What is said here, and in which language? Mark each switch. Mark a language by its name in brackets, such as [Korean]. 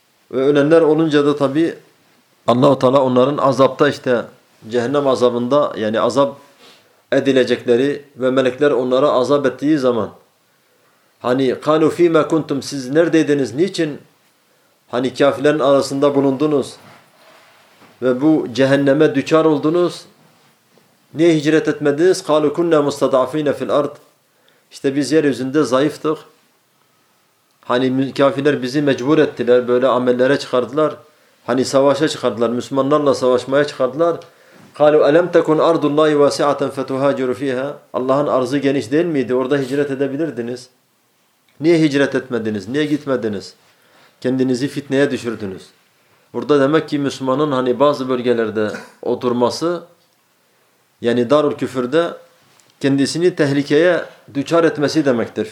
[Turkish] Ve ölenler olunca da tabii Allah-u Teala onların azapta, işte cehennem azabında, yani azap edilecekleri ve melekler onlara azap ettiği zaman, hani [Arabic] kanu fîme kuntum, [Turkish] siz neredeydiniz, niçin hani kâfirlerin arasında bulundunuz ve bu cehenneme düçar oldunuz, niye hicret etmediniz? [Arabic] Kâlu kunnâ mustadâfîne fil ard, [Turkish] işte biz yeryüzünde zayıftık. Hani kafirler bizi mecbur ettiler, böyle amellere çıkardılar. Hani savaşa çıkardılar, Müslümanlarla savaşmaya çıkardılar. [Arabic] قَالُوا أَلَمْ تَكُنْ أَرْضُ اللّٰهِ وَاسِعَةً فَتُهَاجِرُ ف۪يهَا [Turkish] Allah'ın arzı geniş değil miydi? Orada hicret edebilirdiniz. Niye hicret etmediniz? Niye gitmediniz? Kendinizi fitneye düşürdünüz. Burada demek ki Müslümanın hani bazı bölgelerde oturması, yani darül küfürde kendisini tehlikeye düçar etmesi demektir.